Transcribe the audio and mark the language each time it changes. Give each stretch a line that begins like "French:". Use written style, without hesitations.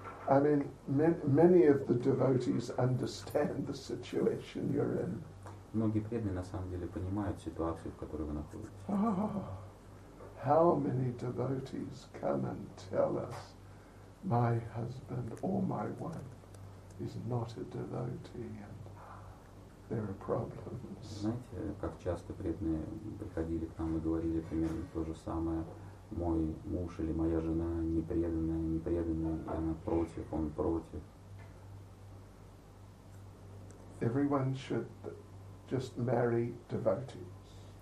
English: I mean, many of the devotees understand the situation you're in.
Russian: Многие преданные на самом деле понимают ситуацию, в которой вы находитесь.
English: How many devotees come and tell us, my husband or my wife is not a devotee and there are problems.
Russian: Знаете, как часто преданные приходили к нам и говорили примерно то же самое. Мой муж или моя жена непреданная, и она против, он против.
English: Everyone should just marry devotees.